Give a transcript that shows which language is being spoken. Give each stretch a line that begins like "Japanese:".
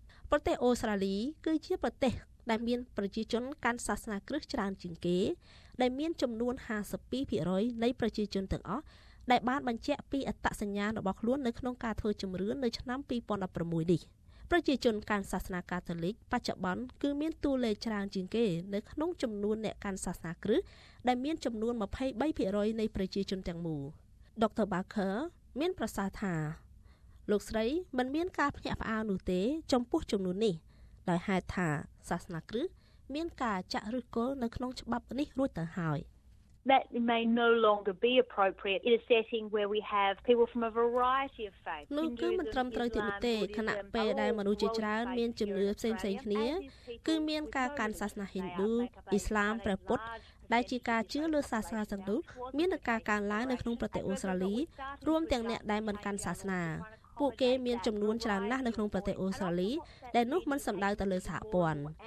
Khmer: ប្រទេសអូស្ត្រាលីគឺជាប្រទេសដែលមានប្រជាជនកាន់សាសនាគ្រឹស្តច្រើនជាងគេដែលមានចំនួន 52% នៃប្រជាជនទាំងអស់ដែលបានបញ្ជាក់ពីអត្តសញ្ញាណរបស់ខ្លួននៅក្នុងការធ្វើជំរឿននៅឆ្នាំ2016នេះប្រជាជនកាន់សាសនាកាតូលិកបច្ចុប្បន្នគឺមានតួលេខច្រើនជាងគេនៅក្នុងចំនួនអ្នកកាន់សាសនាគ្រឹស្តដែលមានចំនួន 23% នៃប្រជាជនទាំងមូលដុកទ័របាខឺមានប្រសាសន៍ថា លោកស្រីមិនមានការភ្ញាក់ផ្អើលនោះទេចំពោះចំនួននេះដោយហេតុថាសាសនាគ្រឹស្តមានការចាក់ឫសគល់នៅក្នុងច្បាប់នេះរួចទៅហើយ
English: That may no longer be appropriate in a setting where we have people from a variety of faiths.
Khmer: នោះគឺមិនត្រឹមត្រូវទៀតនោះទេខណៈពេលដែលមនុស្សជាច្រើនមានជំនឿផ្សេងៗគ្នាគឺមានការកាន់សាសនា Hindu, Islam, ព្រះពុទ្ធដែលជាការជឿលើសាសនាទាំងនោះមានការកើនឡើងនៅក្នុងប្រទេសអូស្ត្រាលីរួមទាំងអ្នកដែលមិនកាន់សាសនាពួកគេមានចំនួនច្រើនណាស់នៅក្នុងប្រទេសអូស្ត្រាលីដែលនោះមិនសម្ដៅទៅលើសហព័ន្ធ